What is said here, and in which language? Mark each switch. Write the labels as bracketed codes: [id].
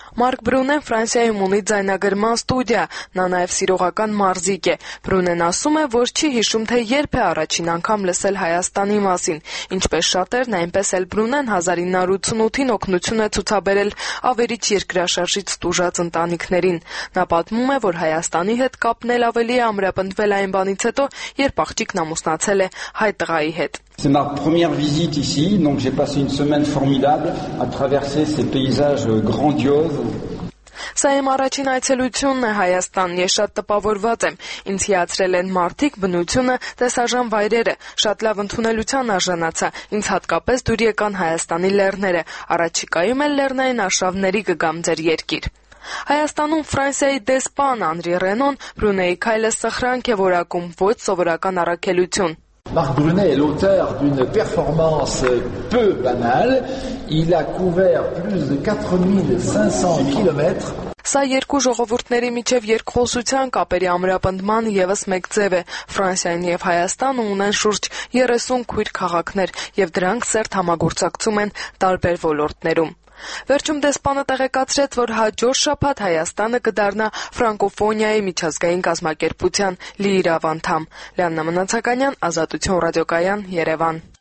[hy] Մարկ Բրունեն Ֆրանսիայում ունի ձայնագրման ստուդիա, նա նաեւ սիրողական մարզիկ է։ Բրունեն ասում է, որ չի հիշում, թե երբ է առաջին անգամ լսել Հայաստանի մասին, ինչպես Ատերն այնպես էլ Բրունեն 1988-ին օգնություն է ցուցաբերել ավերիչ երկրաշարժից տուժած ընտանիքներին։ Նա պատմում է, որ Հայաստանի հետ կապն էլ ավելի է ամրապնդվել այն բանից հետո, երբ աղջիկն ամուսնացել է հայ տղայի հետ։ [fr] C'est ma première visite ici, donc j'ai passé une semaine formidable à traverser ces paysages grandioses. [hy] Սա իմ առաջին այցելությունն է Հայաստան, ես շատ տպավորված եմ, ինձ հիացրել են մարդիկ, բնությունը, տեսարժան վայրերը, շատ լավ ընդունելության արժանացա, ինձ հատկապես դուր եկան Հայաստանի լեռները, առաջիկայում էլ լեռնային արշավների կգամ ձեր երկիր։ Հայաստանում Ֆրանսիայի դեսպան Անրի Ռենոն Բրունեի քայլը սխրանք է որակում, ոչ սովորական առաքելություն։ [fr] Marc Brunet est l'auteur d'une performance peu banale. Il a couvert plus de 4500 km. [hy] Սա երկու ժողովուրդների միջև երկխոսության կապերի ամրապնդման եւս մեկ ձև է։ Ֆրանսիան եւ Հայաստանը ունեն շուրջ 30 քույր քաղաքներ եւ դրանք սերտ համագործակցում են տարբեր ոլորտներում։ Վերջում դեսպանը տեղեկացրեց, որ հաջորդ շաբաթ Հայաստանը կդառնա ֆրանկոֆոնիայի միջազգային գազմակերպության լիիրավանդամ։ Լիաննա Մնացականյան, Ազատություն ռադիոկայան, Երևան։